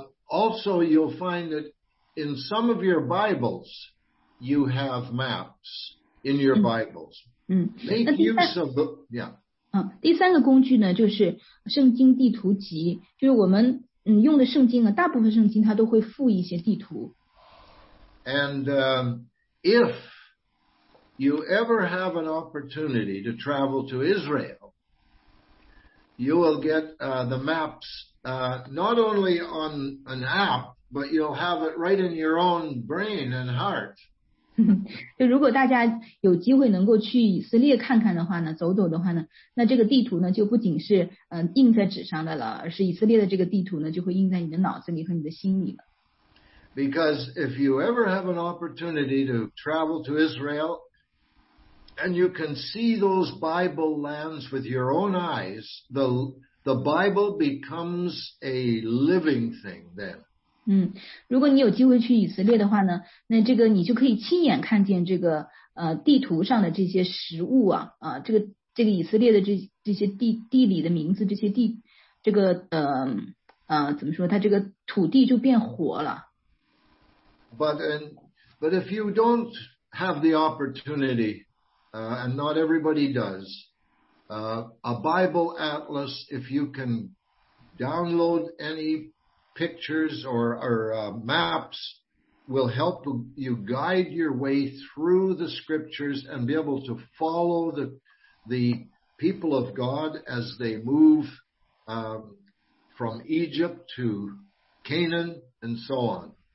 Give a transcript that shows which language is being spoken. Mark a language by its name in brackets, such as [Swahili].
[English] Also, you'll find that in some of your Bibles, you have maps in your Bibles. Make use of the, yeah. [Chinese] 第三个工具呢，就是圣经地图集，就是我们用的圣经呢，大部分圣经它都会附一些地图。 [English] And if you ever have an opportunity to travel to Israel, you will get the maps not only on an app, but you'll have it right in your own brain and heart. [Chinese] 就如果大家有机会能够去以色列看看的话呢，走走的话呢，那这个地图呢就不仅是印在纸上的了，而是以色列的这个地图呢就会印在你的脑子里和你的心里了。 [English] Because if you ever have an opportunity to travel to Israel and you can see those Bible lands with your own eyes, the Bible becomes a living thing then. [Chinese] 如果你有机会去以色列的话呢，那这个你就可以亲眼看见这个地图上的这些实物啊，这个以色列的这些地理的名字，这些地，这个怎么说，它这个土地就变活了。 [English] But if you don't have the opportunity, and not everybody does, a Bible Atlas, if you can download any pictures or maps, will help you guide your way through the scriptures and be able to follow the people of God as they move, from Egypt to Canaan and so on.